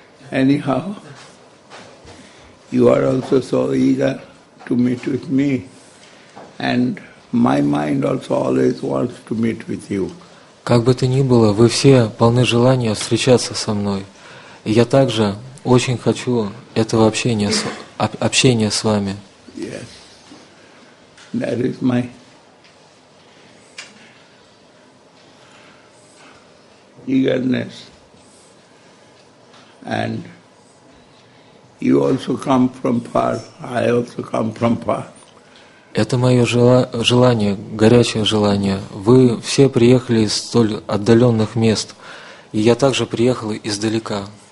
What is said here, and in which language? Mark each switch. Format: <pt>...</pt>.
<en>Anyhow, you are also so eager to meet with me, and my mind also always wants to meet with you.</en> <ru>Как бы то ни было, вы все полны желания встречаться со мной. Я также очень хочу этого общения с вами.</ru> <en>Yes, that is my eagerness, and you also come from far. I also come from far.</en> <ru>Это мое желание, горячее желание. Вы все приехали из столь отдаленных мест, и я также приехал издалека.</ru>